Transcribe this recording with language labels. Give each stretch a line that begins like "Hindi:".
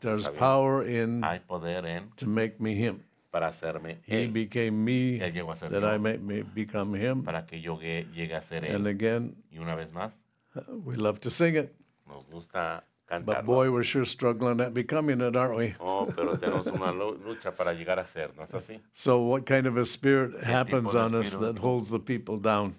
English: There's sabiendo. Power in
Spanish: hay poder en
English: to make me him.
Spanish: Para hacerme
English: he
Spanish: él.
English: Became me
Spanish: él llegó a ser
English: that
Spanish: yo.
English: I may become him.
Spanish: Para que yo llegue a ser
English: and Again,
Spanish: y una vez más,
English: we love to sing it.
Spanish: Nos gusta cantarlo.
English: But boy, we're sure struggling at becoming it, aren't we?
Spanish: Oh, pero tenemos una lucha para llegar a ser, ¿no es así?
English: So what kind of a spirit happens on us that holds the people down?